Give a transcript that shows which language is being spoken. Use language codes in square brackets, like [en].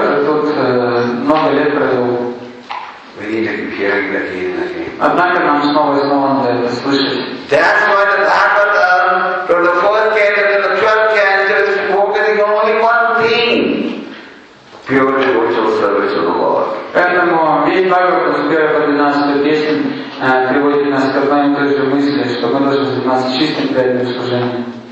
[ru] уже тут много лет провел. [en] We need to compare it again and again. [ru] Однако нам снова и снова надо это слышать. [en] That's why the Bhagavatam from the fourth canto to the 12th canto is focusing on only one thing. Pure devotional service to the Lord. [ru] Поэтому весь Бхагаватам с 1 по 12 песен приводит нас к одной и той же мысли, что мы должны заниматься чистым преданным служением.